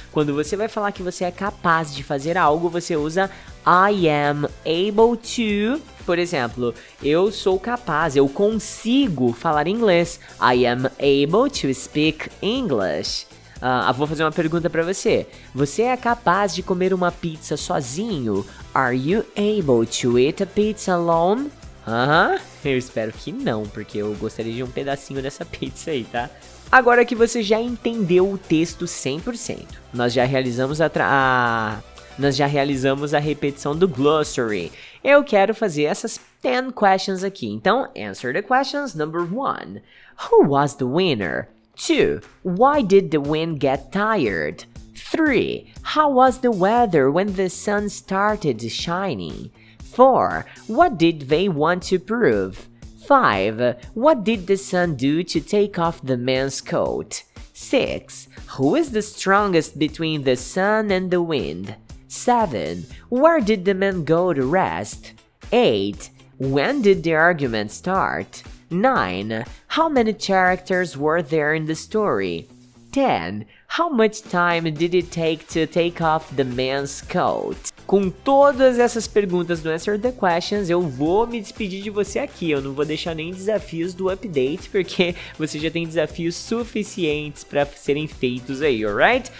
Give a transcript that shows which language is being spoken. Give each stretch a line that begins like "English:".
Portuguese: Quando você vai falar que você é capaz de fazer algo, você usa
English: I am able to.
Portuguese: Por exemplo, eu sou capaz, eu consigo falar inglês.
English: I am able to speak English.
Portuguese: Vou fazer uma pergunta pra você. Você é capaz de comer uma pizza sozinho?
English: Are you able to eat a pizza alone?
Portuguese: Eu espero que não, porque eu gostaria de um pedacinho dessa pizza aí, tá? Agora que você já entendeu o texto 100%, nós já realizamos a repetição do glossary. Eu quero fazer essas 10 questions aqui. Então,
English: answer the questions. Number 1. Who was the winner? 2. Why did the wind get tired? 3. How was the weather when the sun started shining? 4. What did they want to prove? 5. What did the sun do to take off the man's coat? 6. Who is the strongest between the sun and the wind? 7. Where did the man go to rest? 8. When did the argument start? 9. How many characters were there in the story? 10. How much time did it take to take off the man's coat?
Portuguese: Com todas essas perguntas do Answer the Questions, eu vou me despedir de você aqui. Eu não vou deixar nem desafios do update, porque você já tem desafios suficientes para serem feitos aí, alright?